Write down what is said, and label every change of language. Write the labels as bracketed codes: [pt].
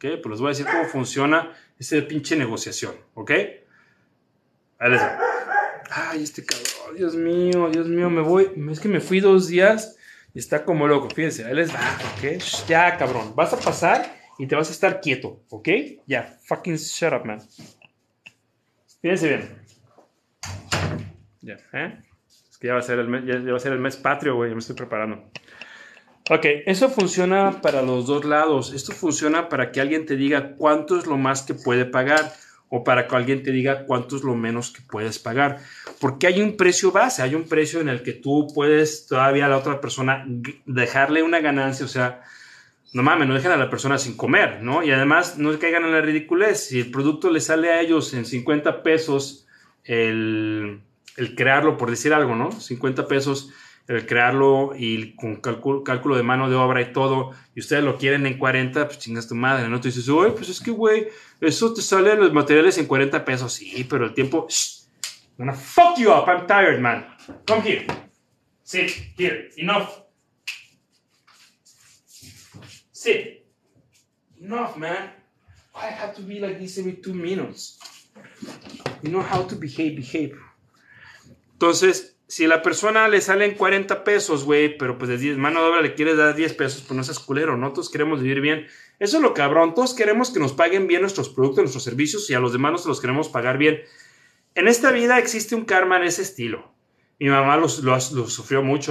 [es] Pero les voy a decir cómo funciona esa pinche negociación, ¿ok? Ahí les va. Ay, este cabrón, Dios mío, me voy. Es que me fui 2 días y está como loco, fíjense, ahí les va, ¿ok? Shh, ya, cabrón, vas a pasar. Y te vas a estar quieto, ¿ok? [en] Ya, yeah, fucking shut up, man. [es] Fíjense bien. Es que ya va a ser el mes patrio, güey. Ya me estoy preparando. Ok, eso funciona para los dos lados. Esto funciona para que alguien te diga cuánto es lo más que puede pagar o para que alguien te diga cuánto es lo menos que puedes pagar. Porque hay un precio base, hay un precio en el que tú puedes todavía a la otra persona dejarle una ganancia, o sea. No mames, no dejen a la persona sin comer, ¿no? Y además no caigan en la ridiculez. Si el producto le sale a ellos en $50 el crearlo, por decir algo, ¿no? $50 el crearlo y con cálculo de mano de obra y todo, y ustedes lo quieren en 40, pues chingas tu madre, ¿no? Tú dices, oye, pues es que, güey, eso te sale en los materiales en $40. Sí, pero el tiempo. Shh. [en] I'm gonna fuck you up, I'm tired, man. Come here. Sit here. Enough. Enough, man. Why I have to be like this every 2 minutes? You know how to behave, behave. [es] Entonces, si a la persona le salen $40, güey, pero pues de mano de obra le quieres dar $10, pues no seas culero, ¿no? Todos queremos vivir bien. Eso es lo cabrón. Todos queremos que nos paguen bien nuestros productos, nuestros servicios y a los demás nos los queremos pagar bien. En esta vida existe un karma en ese estilo. Mi mamá lo sufrió mucho.